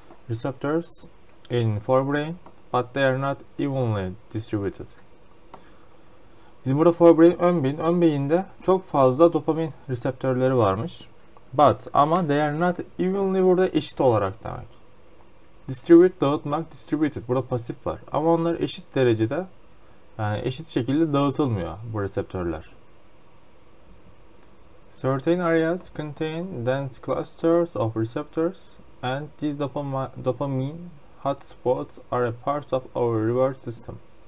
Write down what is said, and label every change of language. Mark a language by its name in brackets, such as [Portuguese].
[English] Receptors in forebrain, but they are not evenly distributed. [Turkish] Bizim burada forebrain ön beyinde çok fazla dopamin reseptörleri varmış. [English] But [Turkish] ama [English] they are not evenly [Turkish] burada eşit olarak demek. Distribute dağıtmak distributed burada pasif var. Ama onlar eşit derecede yani eşit şekilde dağıtılmıyor bu reseptörler. [English] Certain areas contain dense clusters of receptors and these dopamine hot spots are a part of our reward system.